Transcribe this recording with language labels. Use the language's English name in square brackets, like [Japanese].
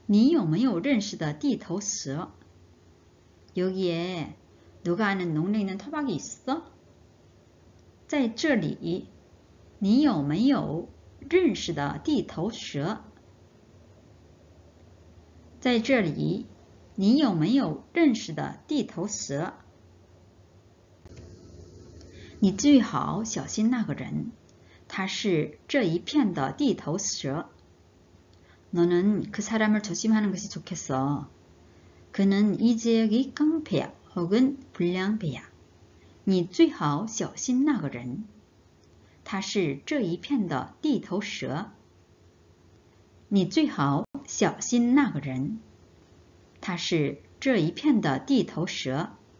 [Chinese] 在这里,你有没有认识的地头蛇? [Korean] 여기에 누가 아는 능력 있는 토박이 있어? [Chinese] 在这里,你有没有认识的地头蛇? 在这里,你有没有认识的地头蛇? 你最好小心那个人,他是这一片的地头蛇。 [Korean] 너는 그 사람을 조심하는 것이 좋겠어. 그는 이 지역의 깡패야, 혹은 불량배야. [Chinese] 你最好小心那个人.他是这一片的地头蛇. 你最好小心那个人.他是这一片的地头蛇.